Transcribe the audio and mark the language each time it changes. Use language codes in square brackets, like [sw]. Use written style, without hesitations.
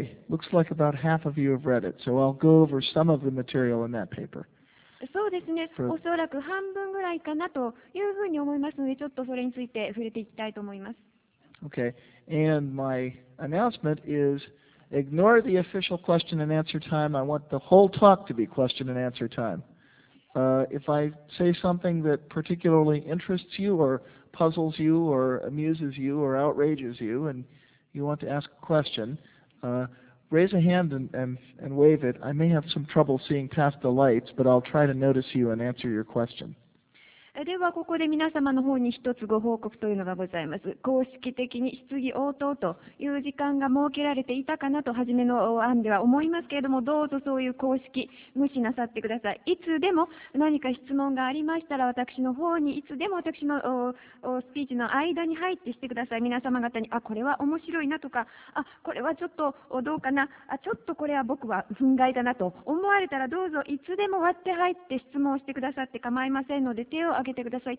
[en] Looks like about half of you have read it, so I'll go over some of the material in that paper. [ja] そうですね、おそらく半分ぐらいかなというふうに思いますので、ちょっとそれについて触れていきたいと思います。 [en] Okay. And my announcement is... Ignore the official question and answer time. I want the whole talk to be question and answer time. If I say something that particularly interests you or puzzles you or amuses you or outrages you and you want to ask a question, raise a hand and wave it. I may have some trouble seeing past the lights, but I'll try to notice you and answer your question. [ja] ではここで皆様の方に一つご報告というのがございます。公式的に質疑応答という時間が設けられていたかなと初めの案では思いますけれども、どうぞそういう公式無視なさってください。いつでも何か質問がありましたら、私の方にいつでも私のスピーチの間に入ってしてください。皆様方に、あ、これは面白いなとか、あ、これはちょっとどうかな、あ、ちょっとこれは僕は憤慨だなと思われたら、どうぞいつでも割って入って質問してくださって構いませんので、手を挙げてください。